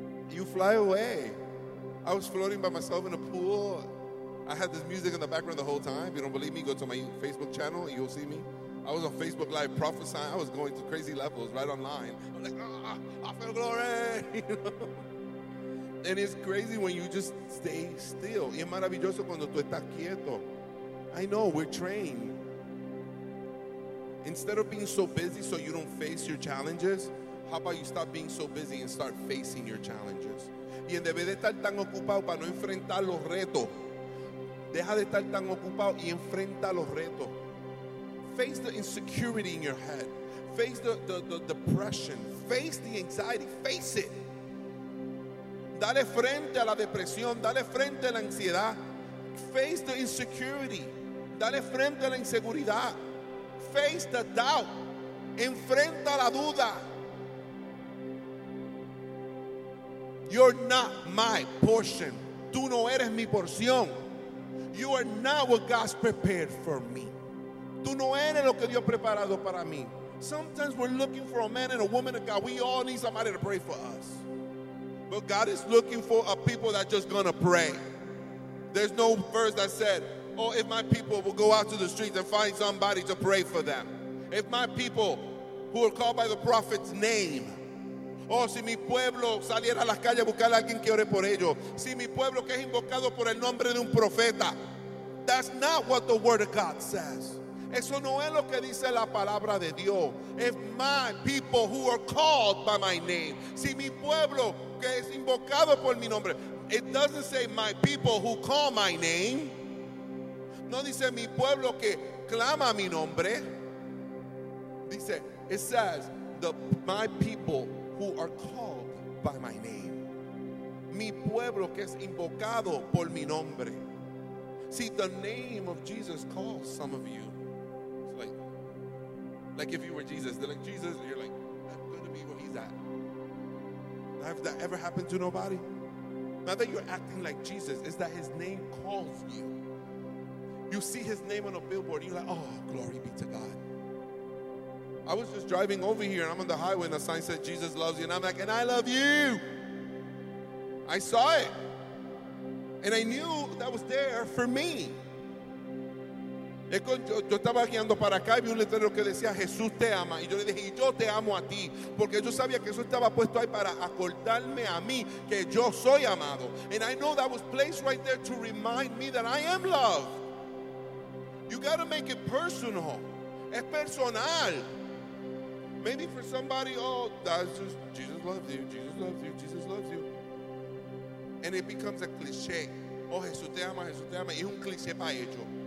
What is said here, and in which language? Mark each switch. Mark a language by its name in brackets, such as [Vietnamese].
[English] You fly away. I was floating by myself in a pool. I had this music in the background the whole time. If you don't believe me, go to my Facebook channel and you'll see me. I was on Facebook Live prophesying. I was going to crazy levels right online. I'm like, ah, I feel glory. And it's crazy when you just stay still. [Spanish] Y es maravilloso cuando tú estás quieto. [English] I know, we're trained. Instead of being so busy so you don't face your challenges, how about you stop being so busy and start facing your challenges? [Spanish] Y en vez de estar tan ocupado para no enfrentar los retos, deja de estar tan ocupado y enfrenta los retos. [English] Face the insecurity in your head. Face the depression. Face the anxiety. Face it. [Spanish] Dale frente a la depresión. Dale frente a la ansiedad. [English] Face the insecurity. [Spanish] Dale frente a la inseguridad. [English] Face the doubt. [Spanish] Enfrenta la duda. [English] You're not my portion. [Spanish] Tú no eres mi porción. [English] You are not what God's prepared for me. [Spanish] Tú no eres lo que Dios ha preparado para mí. [English] Sometimes we're looking for a man and a woman of God. We all need somebody to pray for us. But God is looking for a people that's just gonna pray. There's no verse that said, oh, if my people will go out to the streets and find somebody to pray for them. If my people who are called by the prophet's name. [Spanish] Oh, si mi pueblo saliera a las calles a buscar a alguien que ore por ellos. Si mi pueblo que es invocado por el nombre de un profeta. [English] That's not what the word of God says. [Spanish] Eso no es lo que dice la palabra de Dios. [English] If my people who are called by my name. [Spanish] Si mi pueblo que es invocado por mi nombre. [English] It doesn't say my people who call my name. [Spanish] No dice mi pueblo que clama mi nombre. Dice, [English] it says the my people who are called by my name. [Spanish] Mi pueblo que es invocado por mi nombre. [English] See, the name of Jesus calls some of you. It's like if you were Jesus. They're like, Jesus, and you're like, I'm going to be where he's at. Have that ever happened to nobody? Not that you're acting like Jesus, it's that his name calls you. You see his name on a billboard, and you're like, oh, glory be to God. I was just driving over here, and I'm on the highway, and the sign said, Jesus loves you, and I'm like, and I love you. I saw it. And I knew that was there for me. [Spanish] Yo estaba guiando para acá y vi un letrero que decía, Jesús te ama. Y yo le dije, y yo te amo a ti. Porque yo sabía que eso estaba puesto ahí para acordarme a mí, que yo soy amado. [English] And I know that was placed right there to remind me that I am loved. You got to make it personal. [Spanish] Es personal. [English] Maybe for somebody, oh, that's just Jesus loves you, Jesus loves you, Jesus loves you. And it becomes a cliche. [Spanish] Oh, Jesús te ama, Jesús te ama. Es un cliché para ello.